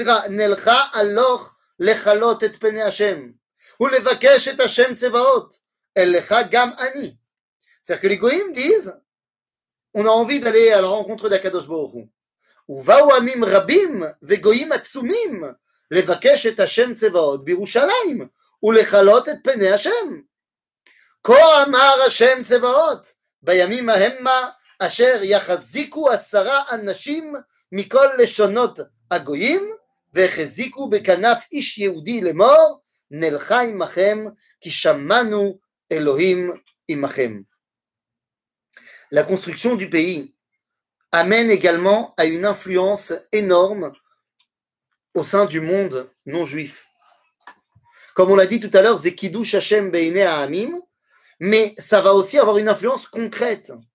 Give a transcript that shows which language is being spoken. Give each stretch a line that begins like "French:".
Hebrew: נלכה הלוך לחלות את פני השם, ולבקש את השם צבאות, אליך גם אני.
French: C'est-à-dire que les goyim disent, on a envie d'aller à la rencontre d'Akadosh Baruch Hu.
Hebrew: ובאו עמים רבים וגויים עצומים, לבקש את השם צבאות בירושלים, ולחלות את פני השם. כה אמר השם צבאות, בימים ההמה, אשר יחזיקו 10 אנשים מכל לשונות הגויים, והחזיקו בכנף איש יהודי למור, נלכה עמכם, כי שמענו אלוהים עמכם.
French: La construction du pays amène également à une influence énorme au sein du monde non-juif. Comme on l'a dit tout à l'heure, Zekidush Hashem Beinei Ha'amim, mais ça va aussi avoir une influence concrète.